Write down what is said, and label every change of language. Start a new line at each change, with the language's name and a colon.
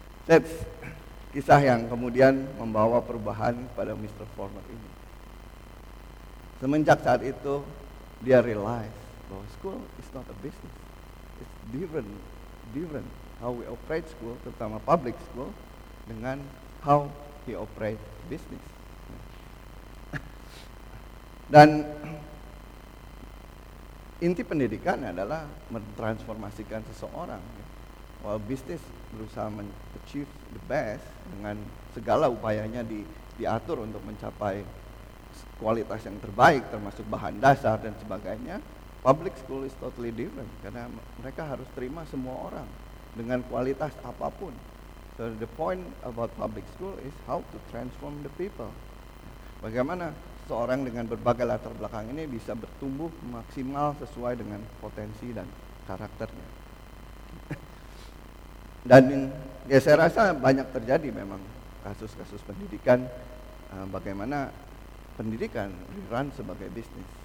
Indonesian: That's kisah yang kemudian membawa perubahan pada Mr. Fulmer ini. Semenjak saat itu, dia realize bahwa
English: school is not a business. It's different how we operate school,
Indonesian: terutama
English: public school,
Indonesian: dengan
English: how he operate business.
Indonesian: Dan inti pendidikan adalah mentransformasikan seseorang.
English: While business
Indonesian: berusaha
English: achieve the best
Indonesian: dengan segala upayanya diatur untuk mencapai kualitas yang terbaik, termasuk bahan dasar dan sebagainya,
English: public school is totally different
Indonesian: karena mereka harus terima semua orang dengan kualitas apapun.
English: So the point about public school is how to transform the people.
Indonesian: Bagaimana seorang dengan berbagai latar belakang ini bisa bertumbuh maksimal sesuai dengan potensi dan karakternya. Dan ya saya rasa banyak terjadi memang kasus-kasus pendidikan, bagaimana pendidikan run sebagai bisnis.